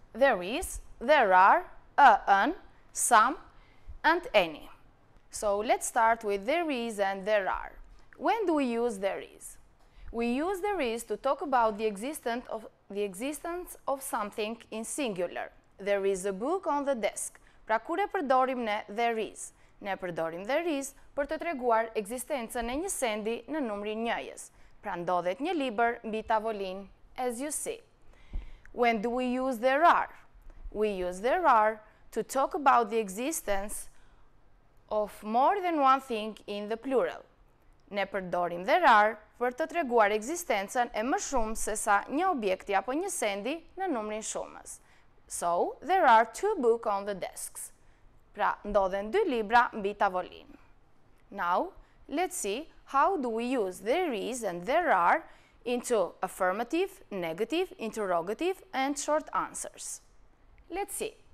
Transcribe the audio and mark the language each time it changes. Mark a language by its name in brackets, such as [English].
[English] There is, there are, a, an, some, and any. So let's start with there is and there are. When do we use there is? We use there is to talk about the existence of something in singular. There is a book on the desk. [Albanian] Pra kur e përdorim ne there is? Ne përdorim there is për të treguar ekzistencën e një sendi në numrin njëjës. Pra ndodhet një libër mbi tavolin, [English] as you see. When do we use there are? We use there are to talk about the existence of more than one thing in the plural. [Albanian] Ne përdorim there are për të treguar ekzistencën e më shumë se sa një objekti apo një sendi në numrin shumës. [English] So, there are two books on the desks. [Albanian] Pra, ndodhen dy libra mbi tavolin. [English] Now, let's see how do we use there is and there are into affirmative, negative, interrogative, and short answers. Let's see.